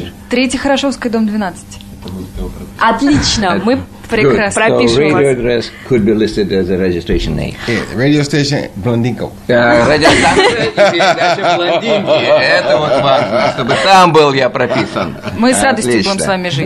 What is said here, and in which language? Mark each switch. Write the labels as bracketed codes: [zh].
[ru] Третья Хорошевская, дом 12. Отлично, мы прекрасно пропишем вас. [en] Radio address could be listed as a registration name. Radio station Блондинка. [ru] Это вот важно, чтобы там был я прописан. Мы с радостью будем с вами жить.